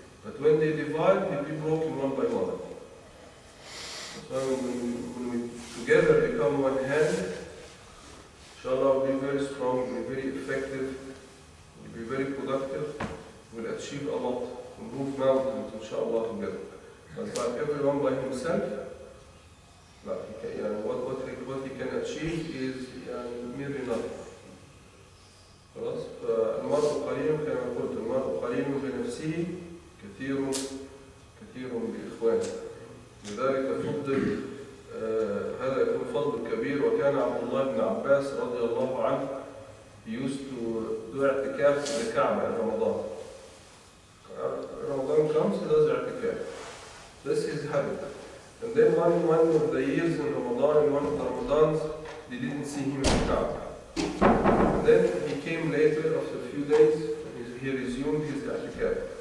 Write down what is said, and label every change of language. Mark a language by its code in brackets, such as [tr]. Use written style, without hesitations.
[en] But when they divide, they'll be broken one by one. So when we together become one hand, inshallah we'll be very strong, we'll be very effective, we'll be very productive, we'll achieve a lot, we'll move mountains, inshallah, together. But by everyone by himself, what he can achieve is merely nothing. [ar] خلاص فالمرء قليل كما قلت المرء قليل بنفسه كثير بإخوانه لذلك فضل هذا يكون فضل كبير وكان عبد الله بن عباس رضي الله عنه [en] used to do [ar] اعتكاف في الكعبة في رمضان. [en] رمضان comes, he does اعتكاف. This is habit. And then one of the years in Ramadan, in one of the Ramadans, they didn't see him in the Kaaba. Then he came later, after a few days, he resumed his i'tikaf.